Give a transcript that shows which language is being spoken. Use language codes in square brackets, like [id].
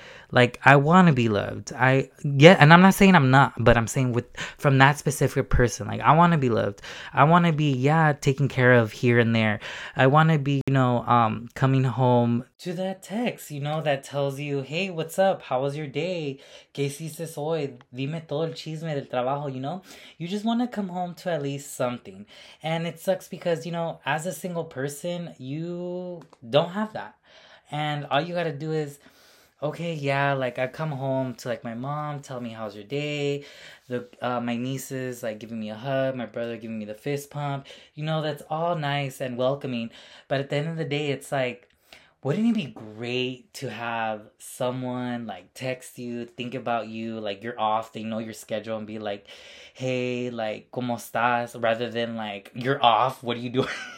[en] Like, I want to be loved. And I'm not saying I'm not, but I'm saying from that specific person, like, I want to be loved. I want to be, yeah, taken care of here and there. I want to be, you know, coming home to that text, you know, that tells you, hey, what's up? How was your day? [es] ¿Qué hiciste hoy? Dime todo el chisme del trabajo, [en] you know? You just want to come home to at least something. And it sucks because, you know, as a single person, you don't have that. And all you got to do is, okay, yeah, like, I come home to, like, my mom, tell me how's your day, my nieces, like, giving me a hug, my brother giving me the fist pump, you know, that's all nice and welcoming, but at the end of the day, it's like, wouldn't it be great to have someone, like, text you, think about you, like, you're off, they know your schedule, and be like, hey, like, [es] ¿cómo estás?, [en] rather than, like, you're off, what are you doing?